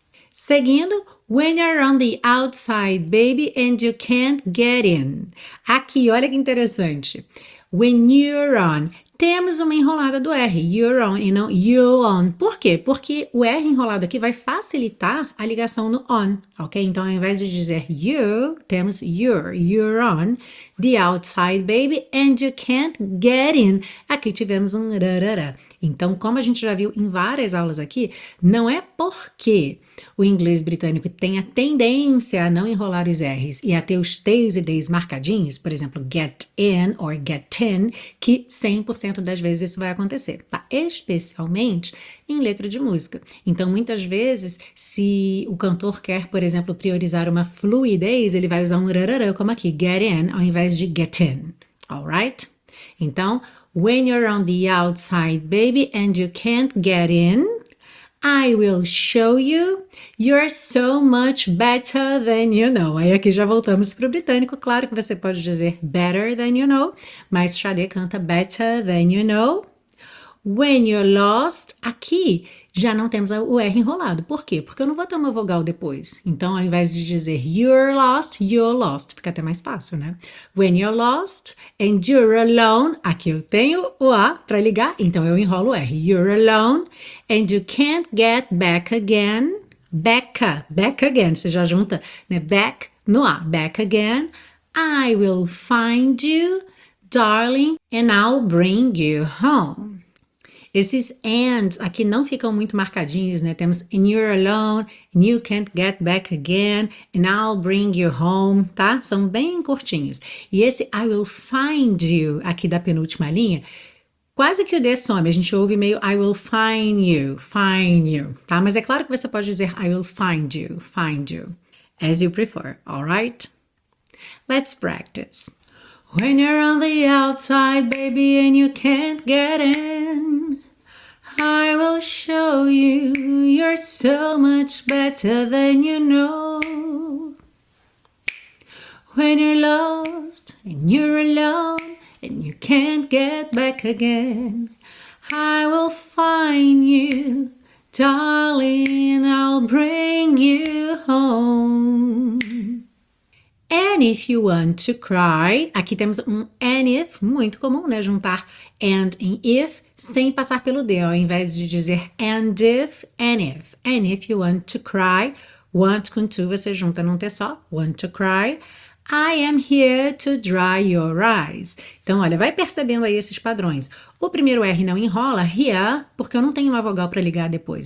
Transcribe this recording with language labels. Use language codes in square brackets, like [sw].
[en] Seguindo, when you're on the outside, baby, and you can't get in. [pt] Aqui, olha que interessante. [en] When you're on, [pt] temos uma enrolada do R, [en] you're on [pt] e não you're on. Por quê? Porque o R enrolado aqui vai facilitar a ligação no on, ok? Então, ao invés de dizer you, temos [en] you're on the outside, baby, and you can't get in. [pt] Aqui tivemos um rarara. Então, como a gente já viu em várias aulas aqui, não é porque o inglês britânico tem a tendência a não enrolar os R's e a ter os T's e D's marcadinhos, por exemplo, [en] get in or get in, [pt] que 100% das vezes isso vai acontecer, tá? Especialmente em letra de música. Então, muitas vezes, se o cantor quer, por exemplo, priorizar uma fluidez, ele vai usar um rararã, como aqui, [en] get in, [pt] ao invés de get in, alright? [en] Então, when you're on the outside, baby, and you can't get in, I will show you you're so much better than you know. [pt] Aí aqui já voltamos para o britânico. Claro que você pode dizer [en] better than you know, [pt] mas Xadê canta better than you know. [en] When you're lost, [pt] aqui já não temos o R enrolado. Por quê? Porque eu não vou ter uma vogal depois. Então, ao invés de dizer [en] you're lost, [pt] fica até mais fácil, né? [en] When you're lost and you're alone, [pt] aqui eu tenho o A para ligar, então eu enrolo o R. [en] You're alone and you can't get back again, back again, [pt] você já junta, né? Back no A, [en] back again, I will find you, darling, and I'll bring you home. [pt] Esses and aqui não ficam muito marcadinhos, né? Temos [en] and you're alone, and you can't get back again, and I'll bring you home, tá? [pt] São bem curtinhos. E esse [en] I will find you [pt] aqui da penúltima linha, quase que o D some. A gente ouve meio I will find you, tá? Mas é claro que você pode dizer [en] I will find you, as you prefer, alright? Let's practice. When you're on the outside, baby, and you can't get in, I will show you you're so much better than you know. When you're lost and you're alone and you can't get back again, I will find you, darling, I'll bring you home. And if you want to cry, [pt] aqui temos um and if, muito comum, né? Juntar and em if, sem passar pelo D, ao invés de dizer [en] and if, [pt] and if. [en] And if you want to cry, [pt] want com to, você junta num T só, [en] want to cry, I am here to dry your eyes. [pt] Então, olha, vai percebendo aí esses padrões. O primeiro R não enrola, [en] here, [pt] porque eu não tenho uma vogal para ligar depois.